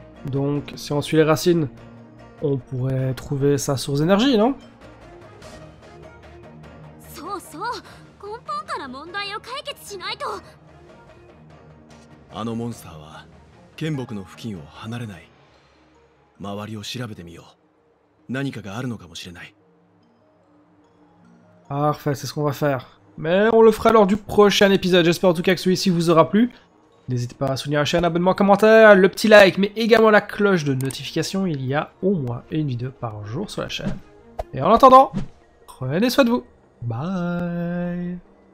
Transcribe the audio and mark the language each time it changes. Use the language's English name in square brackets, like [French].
[French] Donc, si on suit les racines, on pourrait trouver sa source d'énergie, non ? [Japanese] そうそう、根本から問題を解決しないと。あのモンスターは剣木の付近を離れない。周りを調べてみよう。何かがあるのかもしれない。 [French] Parfait, c'est ce qu'on va faire. Mais on le fera lors du prochain épisode. J'espère en tout cas que celui-ci vous aura plu. N'hésitez pas à soutenir la chaîne, abonnement, commentaire, le petit like, mais également la cloche de notification. Il y a au moins une vidéo par jour sur la chaîne. Et en attendant, prenez soin de vous. Bye!